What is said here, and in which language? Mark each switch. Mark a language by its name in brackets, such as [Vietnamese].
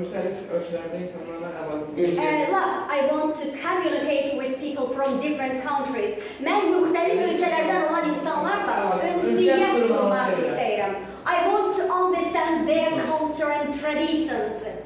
[English] I want to communicate with people from different countries. [Azerbaijani] Ben muhtelif ülkelerden olan insanlarla ünsiyet kurmak isterim. [English] I want to understand their culture and traditions.